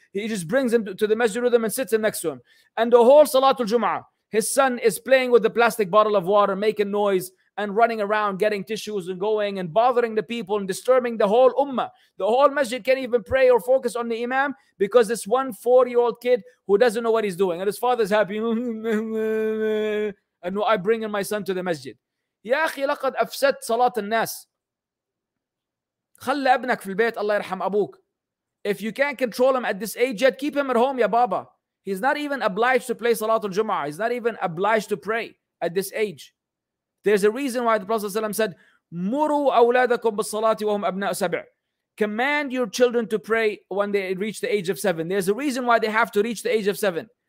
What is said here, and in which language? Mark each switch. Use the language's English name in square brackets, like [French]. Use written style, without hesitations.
[English] He just brings him to the masjid with him and sits him next to him. And the whole Salatul Jumu'ah, his son is playing with the plastic bottle of water, making noise and running around, getting tissues and going and bothering the people and disturbing the whole ummah. The whole masjid can't even pray or focus on the imam because this 1 4-year-old kid who doesn't know what he's doing. And his father's happy. And I bring in my son to the masjid. [Arabic] Ya akhi laqad afsat salat al-nas. خلّ أبنك في البيت الله يرحم أبوك. [English] If you can't control him at this age yet, keep him at home, ya baba. He's not even obliged to play Salatul Jumu'ah. He's not even obliged to pray at this age. There's a reason why the Prophet ﷺ said, [Arabic] مُرُوا أَوْلَادَكُمْ بِالصَّلَاةِ وَهُمْ أَبْنَاءُ سَبْعٍ. [English] Command your children to pray when they reach the age of 7. There's a reason why they have to reach the age of 7.